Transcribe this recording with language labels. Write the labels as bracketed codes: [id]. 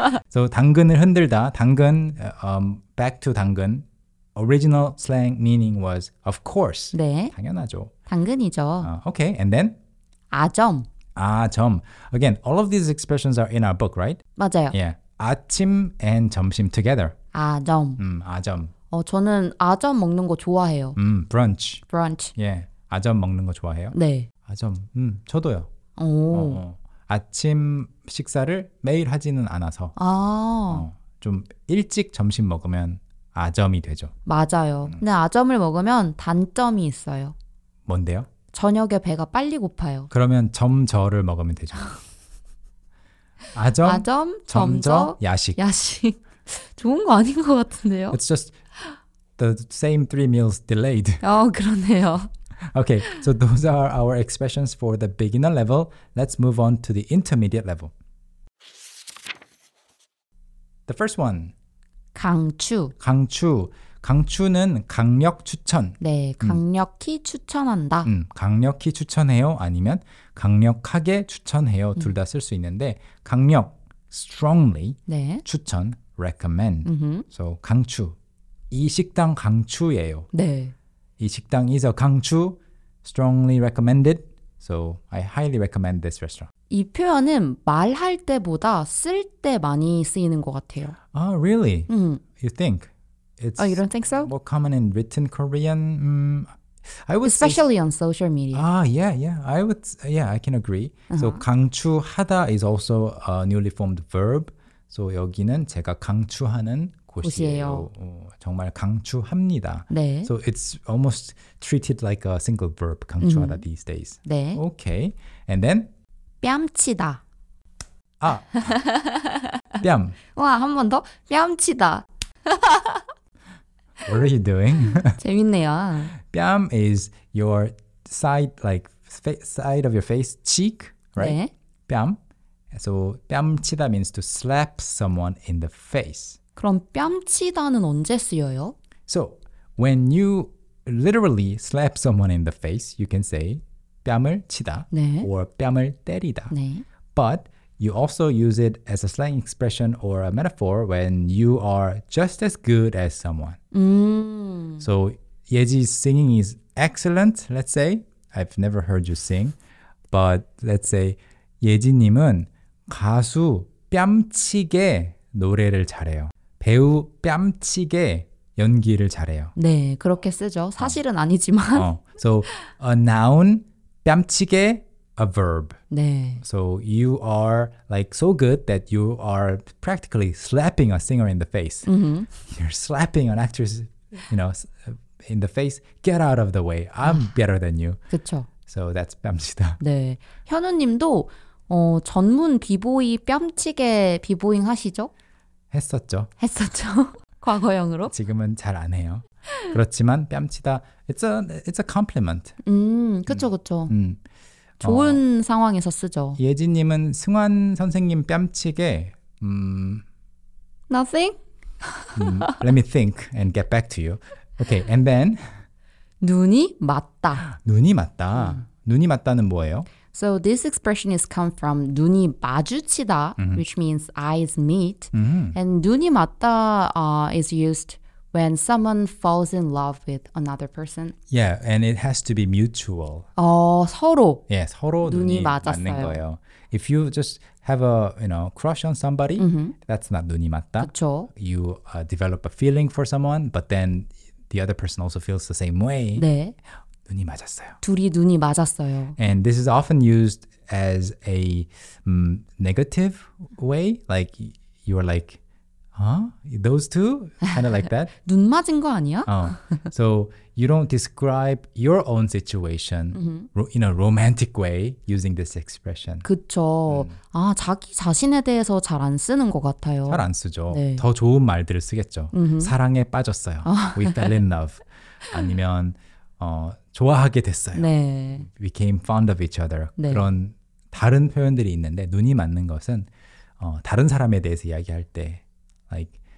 [ko] So 당근을 흔들다. 당근, [en] back to [ko] 당근. [en] Original slang meaning was, of course. [ko] 네. 당연하죠. 당근이죠. [en] Okay, and then? [ko] 아점. 아점. [en] Again, all of these expressions are in our book, right? [ko] 맞아요. [en] Yeah. 아침 and 점심 together. [ko] 아점. 아점. 저는 아점 먹는 거 좋아해요. [en] Brunch. Brunch. [ko] Yeah. 아점 먹는 거 좋아해요? 네. 아점. 저도요. 오. 아침 식사를 매일 하지는 않아서. 아. 좀 일찍 점심 먹으면 아점이 되죠. 맞아요. 근데 아점을 먹으면 단점이 있어요. 뭔데요? 저녁에 배가 빨리 고파요. 그러면 점저를 먹으면 되죠. 아점, 아점 점저, 야식. 야식. 좋은 거 아닌 것 같은데요? [en] It's just the same three meals delayed. [ko] 그러네요. [en] Okay, so those are our expressions for the beginner level. Let's move on to the intermediate level. The first one. [ko] 강추. 강추. 강추는 강력 추천. 네, 강력히 추천한다. 강력히 추천해요. 아니면 강력하게 추천해요. 둘 다 쓸 수 있는데 강력, strongly, 네. 추천, recommend. 음흠. So 강추. 이 식당 강추예요. 네. 이 식당 [en] is a 강추, strongly recommended. So I highly recommend this restaurant. [ko] 이 표현은 말할 때보다 쓸 때 많이 쓰이는 것 같아요. [en] Oh, really? Mm. You think? It's you don't think so? More common in written Korean. I would especially on social media. Yeah. I can agree. Uh-huh. So 강추하다 is also a newly formed verb. [ko] So 여기는 제가 강추하는 곳이에요. 곳이에요. 정말 강추합니다. 네. [en] So it's almost treated like a single verb, 강추하다 these days. [ko] 네. [en] Okay. And then? [ko] 뺨치다. 아, 뺨. 와, 한 번 더. 뺨치다. [en] What are you doing? [ko] 재밌네요. [en] 뺨 is your side, like side of your face, cheek, right? [ko] 네. 뺨. [en] So 뺨치다 means to slap someone in the face. [ko] 그럼 뺨치다는 언제 쓰여요? [en] So when you literally slap someone in the face, you can say 뺨을 치다 [ko] 네. or 뺨을 때리다. 네. [en] But you also use it as a slang expression or a metaphor when you are just as good as someone. So Yeji's singing is excellent, let's say. I've never heard you sing. But let's say [ko] 예지님은 가수 뺨치게 노래를 잘해요. 배우 뺨치게 연기를 잘해요. 네, 그렇게 쓰죠. 사실은 아니지만. [en] So a noun, 뺨치게, a verb. [ko] 네. [en] So you are like so good that you are practically slapping a singer in the face. Mm-hmm. You're slapping an actress, you know, in the face. Get out of the way. I'm better than you. [ko] 그쵸. [en] So that's 뺨치다. [ko] 네. 현우님도 어, 전문 비보이 뺨치게 비보잉 하시죠? 했었죠. 했었죠. 과거형으로? 지금은 잘 안 해요. 그렇지만 뺨치다, [en] it's a compliment. [ko] 그렇죠, 그렇죠. 좋은 상황에서 쓰죠. 예지님은 승환 선생님 뺨치게 [en] nothing? let me think and get back to you. Okay, and then [ko] 눈이 맞다. 눈이 맞다. 눈이 맞다는 뭐예요? [en] So this expression is come from 눈이 마주치다, which means eyes meet. And 눈이 맞다 is used when someone falls in love with another person. Yeah, and it has to be mutual. [ko] 어, 서로. Yeah, 서로 눈이 맞았어요. 맞는 거예요. [en] If you just have a, you know, crush on somebody, that's not 눈이 맞다. [ko] 그쵸. [en] You develop a feeling for someone, but then the other person also feels the same way. [ko] 네. 눈이 맞았어요. 둘이 눈이 맞았어요. [en] And this is often used as a negative way. Like, you are like, huh? Those two? Kind of like that. [ko] 눈 맞은 거 아니야? [en] So, you don't describe your own situation in a romantic way using this expression. [ko] 그쵸. 아, 자기 자신에 대해서 잘 안 쓰는 것 같아요. 잘 안 쓰죠. 네. 더 좋은 말들을 쓰겠죠. 사랑에 빠졌어요. [en] We fell in love. [ko] 아니면, 좋아하게 됐어요. 네. We became fond of each other. 네. 그런 다른 표현들이 있는데 눈이 맞는 것은 다른 사람에 대해서 이야기할 때 like